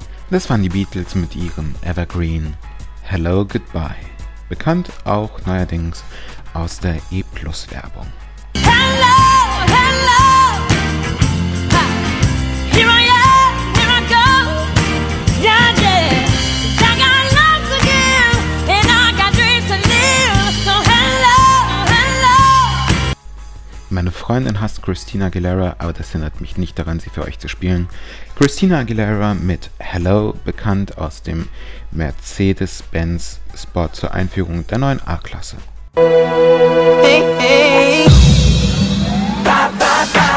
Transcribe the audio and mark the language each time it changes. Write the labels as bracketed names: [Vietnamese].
[German] Das waren die Beatles mit ihrem Evergreen Hello Goodbye, bekannt auch neuerdings aus der E-Plus-Werbung. [English] Hello, hello, here I am, here I go, yeah, yeah, I got lots of give, and I got dreams to live, so hello, hello. [German] Meine Freundin hasst Christina Aguilera, aber das hindert mich nicht daran, sie für euch zu spielen. Christina Aguilera mit Hello, bekannt aus dem Mercedes-Benz-Spot zur Einführung der neuen A-Klasse. [English] Hey, hey. Bye, bye, bye.